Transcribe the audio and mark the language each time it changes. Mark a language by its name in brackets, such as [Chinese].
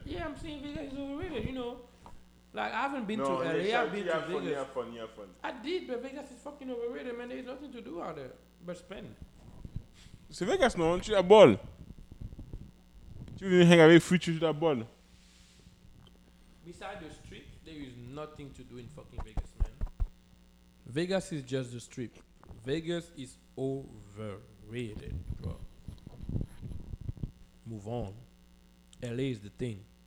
[English] Yeah, I'm saying Vegas is overrated, you know. Like, I haven't been to LA. I've been to Vegas. You have fun. I did, but Vegas is fucking overrated, man. There's nothing to do out there but spend. [French] C'est Vegas, non? Tu as ball. Tu veux hang avec Free, tu as ball. [English] Beside the street, there is nothing to do in fucking Vegas, man. Vegas is just the strip. Vegas is overrated, bro. Move on. LA is the thing.